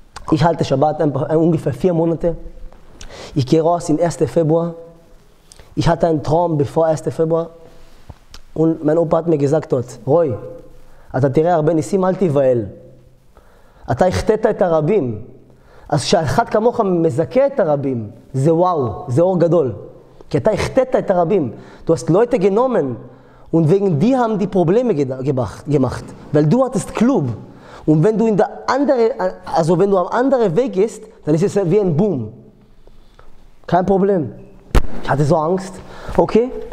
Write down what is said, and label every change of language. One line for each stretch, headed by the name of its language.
German: Ich halte Shabbat ungefähr 4 Monate. Ich gehe raus im 1. Februar. Ich hatte einen Traum bevor 1. Februar. Und mein Opa hat mir gesagt dort, Roy,
Hebrew: אתה תראה הרבה ניסים, אל תיבהל. אתה הכתת את הרבים. אז כשאחד כמוך מזכה את הרבים, זה וואו, זה אור גדול. כי אתה הכתת את הרבים.
German: Du hast Leute genommen. Und wegen dir haben die Probleme gemacht. Weil du hattest Club. Und wenn du in der andere, also wenn du am anderen Weg gehst, dann ist es wie ein Boom. Kein Problem. Ich hatte so Angst. Okay.